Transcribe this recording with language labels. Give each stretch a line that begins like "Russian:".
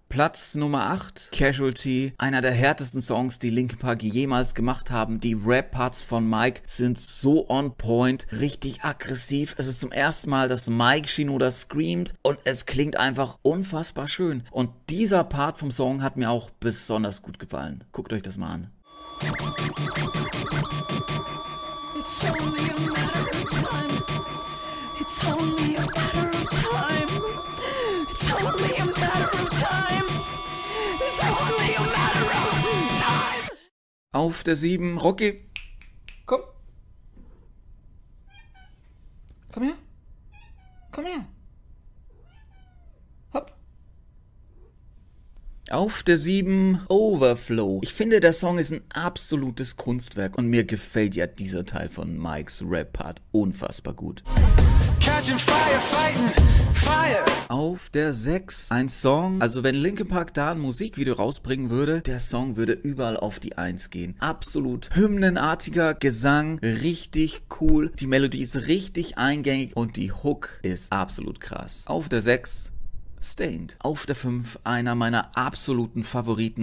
German: Platz Nummer 8, Casualty, einer der härtesten Songs, die Linkin Park jemals gemacht haben. Die Rap-Parts von Mike sind
English: so on point,
German: richtig aggressiv. Es ist zum ersten Mal, dass Mike Shinoda screamt und es klingt einfach unfassbar schön. Und dieser Part vom Song hat mir auch besonders gut gefallen. Guckt euch das mal an.
English: It's only a matter of time. It's only a matter of time. It's only a matter of time. It's only a matter of time.
German: Auf der 7, Rocky. Komm. Komm her. Komm her. Auf der 7, Overflow. Ich finde, der Song ist ein absolutes Kunstwerk und mir gefällt ja dieser Teil von Mikes Rap-Part unfassbar gut.
English: Catching fire, fighting fire.
German: Auf der 6, ein Song. Also wenn Linkin Park da ein Musikvideo rausbringen würde, der Song würde überall auf die 1 gehen. Absolut hymnenartiger Gesang, richtig cool. Die Melodie ist richtig eingängig und die Hook ist absolut krass. Auf der 6, Stained. Auf der 5, einer meiner absoluten Favoriten.